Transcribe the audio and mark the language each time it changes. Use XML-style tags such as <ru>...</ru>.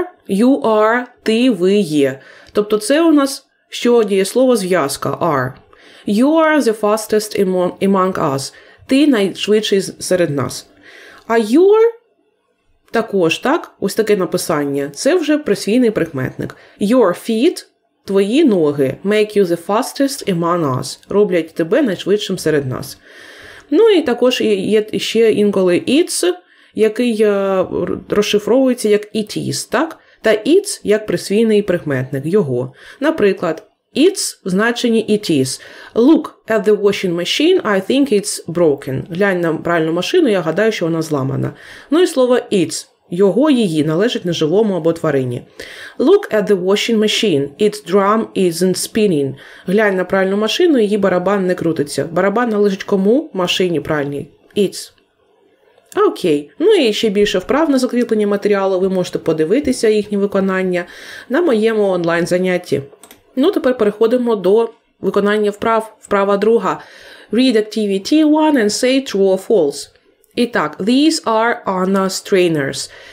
<en>You are,</en> <uk>ти, ви, є. Тобто це у нас, що дієслово зв'язка, are.</uk> <en>You are the fastest among us.</en> <uk>Ти найшвидший серед нас. А you're... Також, так? Ось таке написання. Це вже присвійний прикметник.</uk> <en>Your feet,</en> <uk>твої ноги,</uk> <en>make you the fastest among us.</en> <uk>Роблять тебе найшвидшим серед нас. Ну і також є ще інколи it's, який розшифровується як it is, так? Та it's як присвійний прикметник, його. Наприклад, it's в значенні it is.</uk> <en>Look at the washing machine, I think it's broken.</en> <uk>Глянь на пральну машину, я гадаю, що вона зламана. Ну і слово it's, його, її, належить неживому або тварині.</uk> <en>Look at the washing machine, its drum isn't spinning.</en> <uk>Глянь на пральну машину, її барабан не крутиться. Барабан належить кому? Машині пральній. It's. Окей. Ну і ще більше вправ на закріплення матеріалу, ви можете подивитися їхнє виконання на моєму онлайн-занятті. Ну, тепер переходимо до виконання вправ. Вправа друга.</uk> <en>Read activity one and say true or false.</en> <uk>І так,</uk> <en>these are Anna's trainers.</en>